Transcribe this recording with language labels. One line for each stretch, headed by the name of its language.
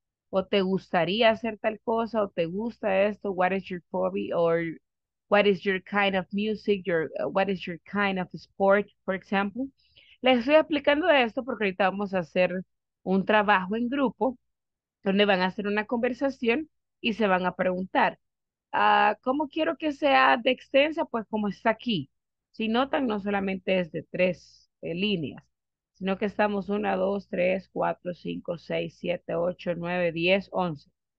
Spanish: O te gustaría hacer tal cosa o te gusta esto?
English: What is your hobby or what is your kind of music? What is your kind of sport, for example?
Spanish: Les estoy explicando esto porque ahorita vamos a hacer un trabajo en grupo donde van a hacer una conversación y se van a preguntar, ¿cómo quiero que sea de extensa? Pues como está aquí. Si notan, no solamente es de tres líneas, sino que estamos 1, 2, 3, 4, 5, 6, 7, 8, 9, 10, 11.